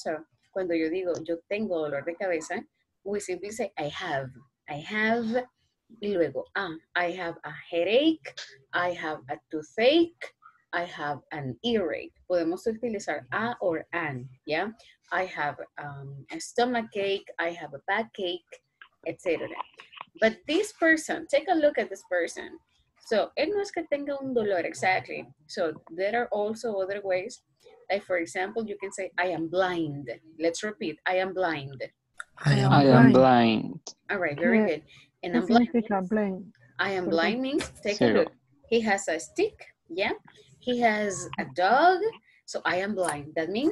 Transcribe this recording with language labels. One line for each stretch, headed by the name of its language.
English: So,
Spanish: cuando yo digo, yo tengo dolor de cabeza,
English: we simply say, I have, y luego, I have a headache, I have a toothache, I have an earache.
Spanish: Podemos utilizar
English: a or an, yeah? I have a stomachache, I have a backache, etc. But this person, take a look at this person.
Spanish: So, él no es que tenga un dolor, exactly.
English: So, there are also other ways. Like, for example, you can say, I am blind. Let's repeat, I am blind. I am blind. All right, very good. And I'm blind. I am blind means, take a look. He has a stick, yeah? he has a dog, so I am blind. That means?